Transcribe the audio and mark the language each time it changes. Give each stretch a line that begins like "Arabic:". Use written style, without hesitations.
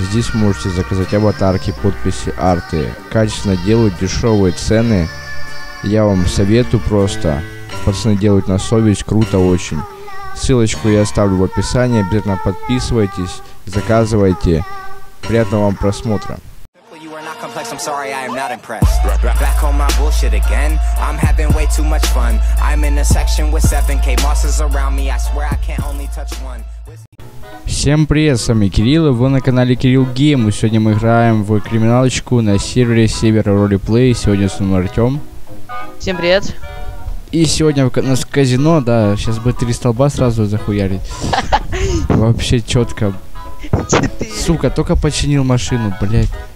Russian: Здесь можете заказать аватарки, подписи, арты. Качественно делают, дешевые цены. Я вам советую просто. Пацаны делают на совесть, круто очень. Ссылочку я оставлю в описании. Обязательно подписывайтесь, заказывайте. Приятного вам просмотра.
English: I'm sorry, I am not impressed. Back on my bullshit again. I'm having way too much fun. I'm in a section with 7K monsters around me. I swear I can't only touch one.
Russian: Всем привет, с вами Кирилл, и вы на канале Кирилл Гейм. И сегодня мы играем в криминалочку на сервере Севера Ролиплей. Сегодня с вами Артём. Всем привет. И сегодня у нас казино, да. Сейчас бы три столба сразу захуярить. Вообще четко. Сука, только починил машину, блять.